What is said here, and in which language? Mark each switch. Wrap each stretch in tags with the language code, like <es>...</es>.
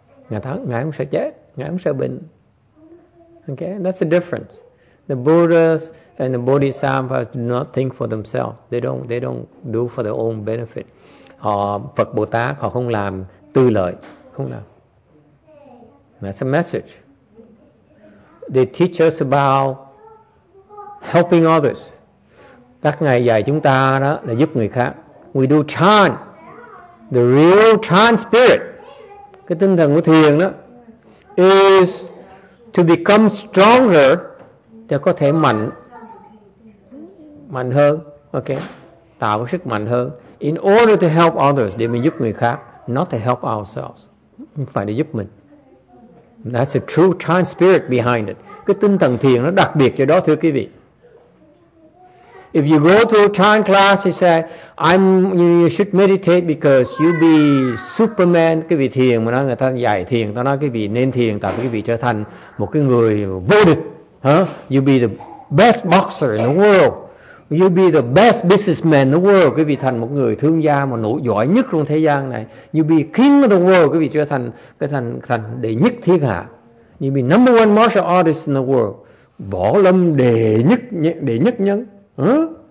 <vi>Ngài không sợ chết, Ngài không sợ bệnh.</vi> <en>Okay, that's the difference. The Buddhas and the Bodhisattvas do not think for themselves. They don't do for their own benefit.</en> <vi>Họ Phật Bồ Tát họ không làm tư lợi, không làm.</vi> <en>That's a message. They teach us about helping others.</en> <vi>Các ngài dạy chúng ta đó là giúp người khác.</vi> <en>We do chan, the real chan spirit.</en> <vi>Cái tinh thần của thiền đó</vi> <en>is to become stronger,</en> <vi>để có thể mạnh hơn. Okay, tạo sức mạnh hơn.</vi> <en>In order to help others,</en> <vi>để mình giúp người khác,</vi> <en>not to help ourselves.</en> <vi>Không phải để giúp mình.</vi> <en>That's the true chan spirit behind it.</en> <vi>Cái tinh thần thiền nó đặc biệt cho đó, thưa quý vị.</vi> <en>If you go to a chant class, he said, you should meditate because you'll be Superman.</en> <vi>Cái vị thiền mà nói người ta giải thiền, ta nói cái vị nên thiền, tại cái vị trở thành một cái người vô địch. Huh?</vi> <en>You'll be the best boxer in the world. You'll be the best businessman in the world.</en> <vi>Cái vị thành một người thương gia mà nổi giỏi nhất trong thế gian này.</vi> <en>You'll be king of the world.</en> <vi>Cái vị trở thành cái thành đệ nhất thiên hạ.</vi> <en>You'll be number one martial artist in the world.</en> <vi>Võ lâm đệ nhất nhân.</vi> <en>Huh?</en>